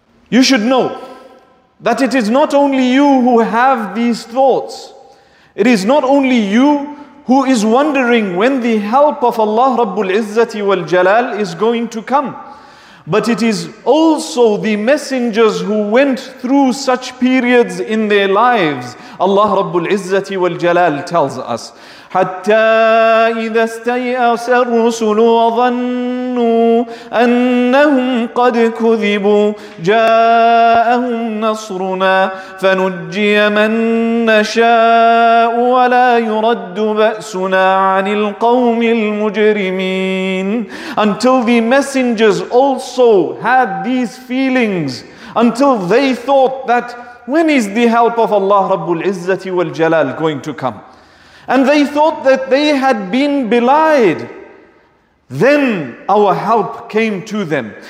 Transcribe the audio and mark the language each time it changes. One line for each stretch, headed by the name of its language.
English: You should know that it is not only you who have these thoughts. It is not only you who is wondering when the help of Allah Rabbul Izzati wal Jalal is going to come. But it is also the messengers who went through such periods in their lives. Allah Rabbul Izzati wal Jalal tells us,
Arabic: حَتَّى إِذَا اسْتَيْأَسَ الرُّسُلُ وَظَنُّوا أَنَّهُمْ قَدْ كُذِبُوا جَاءَهُمْ نَصْرُنَا فَنُجِّيَ مَنْ نَشَاءُ وَلَا يُرَدُّ بَأْسُنَا عَنِ الْقَوْمِ الْمُجْرِمِينَ.
English: Until the messengers also had these feelings, until they thought that when is the help of Allah Rabbul Izzati wal Jalal going to come? And they thought that they had been belied. Then our help came to them.